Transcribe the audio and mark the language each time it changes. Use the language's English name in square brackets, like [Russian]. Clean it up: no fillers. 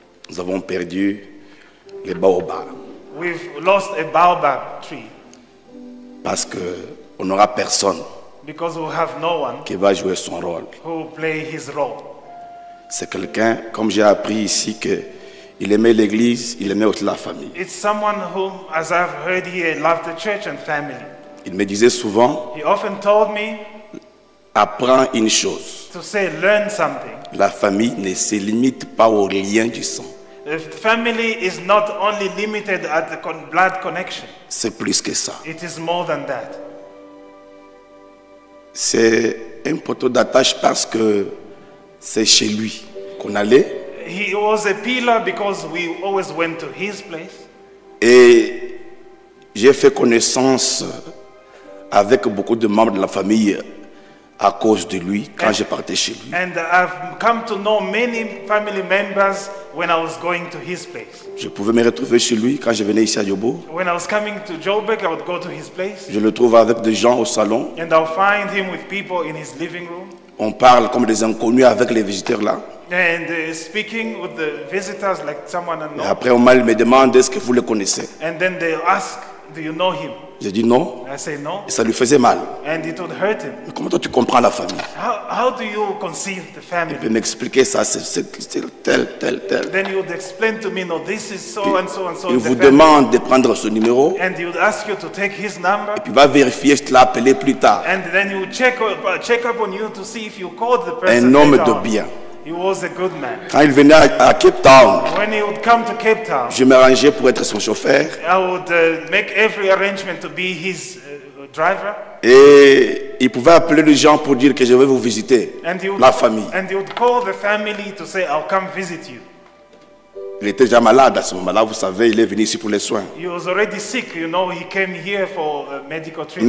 [French] Nous avons perdu les baobabs. [English] We've lost a baobab tree. [French] Parce qu'on n'aura personne. [English] Because we have no one. [French] Qui va jouer son rôle. [English] Who will play his role. [French] C'est quelqu'un, comme j'ai appris ici, qu'il aimait l'église, il aimait aussi la famille. [English] It's someone who, as I've heard here, loved the church and family. [French] Il me disait souvent, [English] he often told me, [French] apprends une chose. [English] To say, learn something. [French] La famille ne se limite pas au lien du sang. [English] The family is not only limited at the blood connection. [French] C'est plus que ça. [English] It is more than that. [French] C'est un poteau d'attache parce que c'est chez lui qu'on allait. [English] He was a pillar because we always went to his place. [French] Et j'ai fait connaissance avec beaucoup de membres de la famille à cause de lui quand je partais chez lui. [English] And I've come to know many family members when I was going to his place. [French] Je pouvais me retrouver chez lui quand je venais ici à Joburg. [English] When I was coming to Joburg, I would go to his place. [French] Je le trouve avec des gens au salon. [English] And I'll find him with people in his living room. [French] On parle comme des inconnus avec les visiteurs là. [English] And speaking with the visitors like someone unknown. [French] Et après au mal, ils me demandent est-ce que vous le connaissez. [English] And then they ask, do you know him? [French] J'ai dit non. [English] I say no. [French] Et ça lui faisait mal. [English] And it would hurt him. [French] Mais comment toi tu comprends la famille? [English] How do you conceive the family? [French] Et puis m'expliquer ça, c'est tel. [English] Then you would explain to me, no, this is so [French] puis, [English] and so and so. [French] Il vous demande de prendre ce numéro. [English] And he would ask you to take his number. [French] Et puis va vérifier si tu l'as appelé plus tard. [English] And then he would check up on you to see if you called the person. [French] Un homme de bien. [English] He was a good man. [French] Quand il venait à Cape Town, [English] when he would come to Cape Town, [French] je m'arrangeais pour être son chauffeur. [English] I would make every arrangement to be his driver. [French] Et il pouvait appeler les gens pour dire que je vais vous visiter, [English] and would, [French] la famille. [English] And he would call the family to say, I'll come visit you. [French] Il était déjà malade à ce moment-là, vous savez, il est venu ici pour les soins. [English] He was already sick, you know, he came here for medical treatment.